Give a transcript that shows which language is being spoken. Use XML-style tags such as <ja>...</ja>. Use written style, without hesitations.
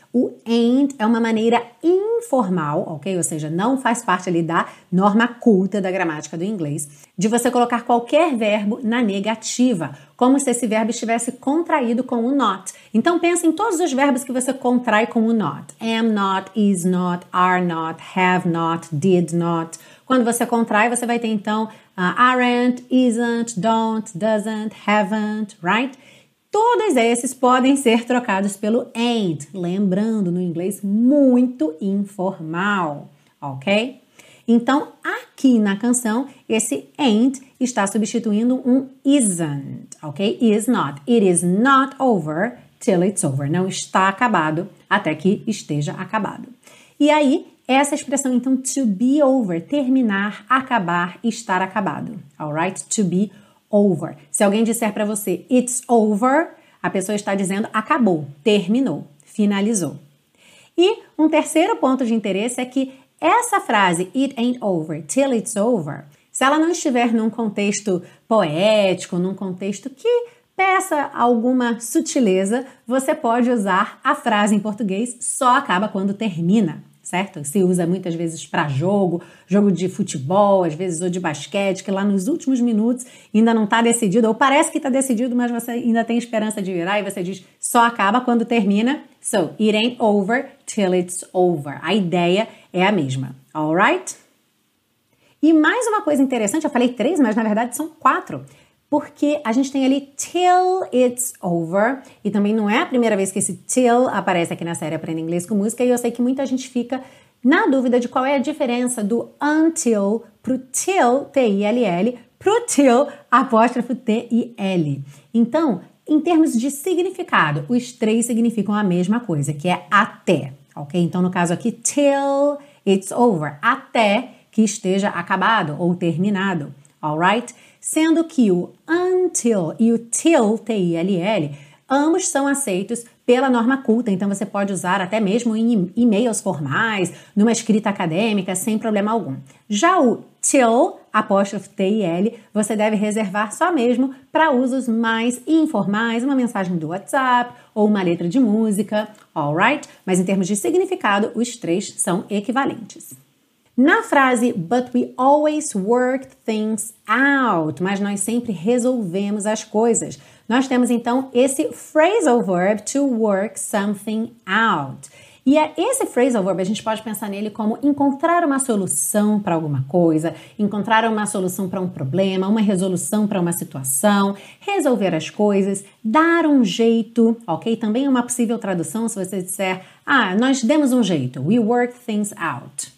<pt>O ain't é uma maneira informal, ok? Ou seja, não faz parte ali da norma culta da gramática do inglês, de você colocar qualquer verbo na negativa, como se esse verbo estivesse contraído com o not. Então pensa em todos os verbos que você contrai com o not.</pt> <en>Am not, is not, are not, have not, did not.</en> <pt>Quando você contrai, você vai ter então aren't, isn't, don't, doesn't, haven't, right? Todos esses podem ser trocados pelo ain't, lembrando, no inglês, muito informal, ok? Então, aqui na canção, esse ain't está substituindo um isn't, ok?</pt> <en>Is not. It is not over till it's over.</en> <pt>Não está acabado até que esteja acabado. E aí, essa expressão, então, to be over, terminar, acabar, estar acabado, alright?</pt> <en>To be over.</en> <pt>Over. Se alguém disser para você,</pt> <en>it's over,</en> <pt>a pessoa está dizendo, acabou, terminou, finalizou. E um terceiro ponto de interesse é que essa frase,</pt> <en>it ain't over, till it's over,</en> <pt>se ela não estiver num contexto poético, num contexto que peça alguma sutileza, você pode usar a frase em português, só acaba quando termina. Certo? Se usa muitas vezes para jogo de futebol, às vezes, ou de basquete, que lá nos últimos minutos ainda não está decidido, ou parece que está decidido, mas você ainda tem esperança de virar, e você diz, só acaba quando termina.</pt> <en>So, it ain't over till it's over.</en> <pt>A ideia é a mesma. Alright? E mais uma coisa interessante, eu falei 3, mas na verdade são 4. Porque a gente tem ali till it's over, e também não é a primeira vez que esse till aparece aqui na série Aprenda Inglês com Música, e eu sei que muita gente fica na dúvida de qual é a diferença do until pro till, T-I-L-L, pro till, apóstrofo T-I-L. Então, em termos de significado, os 3 significam a mesma coisa, que é até, ok? Então, no caso aqui,</pt> <en>till it's over,</en> <pt>até que esteja acabado ou terminado, alright? Sendo que o until e o till, T-I-L-L, ambos são aceitos pela norma culta. Então, você pode usar até mesmo em e-mails formais, numa escrita acadêmica, sem problema algum. Já o till, apóstrofo T-I-L, você deve reservar só mesmo para usos mais informais, uma mensagem do WhatsApp ou uma letra de música, alright? Mas em termos de significado, os 3 são equivalentes. Na frase,</pt> <en>but we always worked things out,</en> <pt>mas nós sempre resolvemos as coisas. Nós temos, então, esse phrasal verb, to work something out. E é esse phrasal verb, a gente pode pensar nele como encontrar uma solução para alguma coisa, encontrar uma solução para um problema, uma resolução para uma situação, resolver as coisas, dar um jeito, ok? Também é uma possível tradução se você disser, ah, nós demos um jeito,</pt> <en>we worked things out.</en>